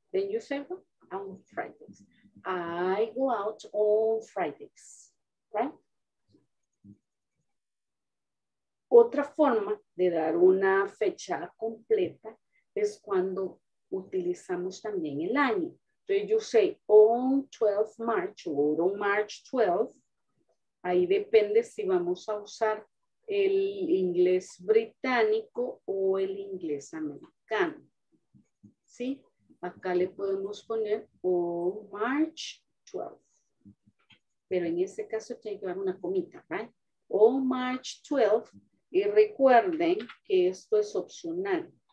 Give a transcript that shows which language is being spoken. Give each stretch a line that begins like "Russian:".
English: Then you say, on Fridays. I go out on Fridays, right?
Spanish: Otra forma de dar una fecha completa es cuando utilizamos también el año.
English: Entonces, you say, on 12th March, or on March 12th.
Spanish: Ahí depende si vamos a usar el inglés británico o el inglés americano. ¿Sí? Acá le podemos poner
English: on March 12th.
Spanish: Pero en ese caso tiene que llevar una comita, ¿right?
English: On March 12th.
Spanish: Y recuerden que esto es opcional.